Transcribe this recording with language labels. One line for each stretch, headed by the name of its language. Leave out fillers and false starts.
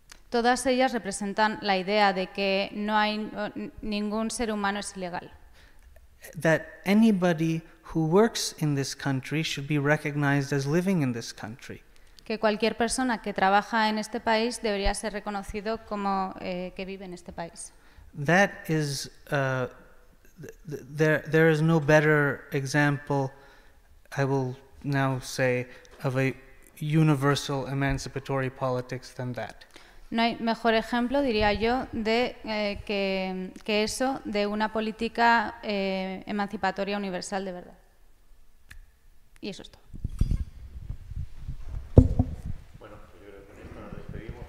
Spanish: Todas ellas representan la idea de que no hay ningún ser humano es ilegal.
English: That anybody who works in this country should be recognized as living in this country.
Spanish: Que cualquier persona que trabaja en este país debería ser reconocido como que vive en este país.
English: That is there is no better example, I will now say, of a universal emancipatory politics than that.
Spanish: No hay mejor ejemplo, diría yo, de que eso de una política emancipatoria universal de verdad. Y eso es todo. Bueno, yo creo que con esto nos despedimos.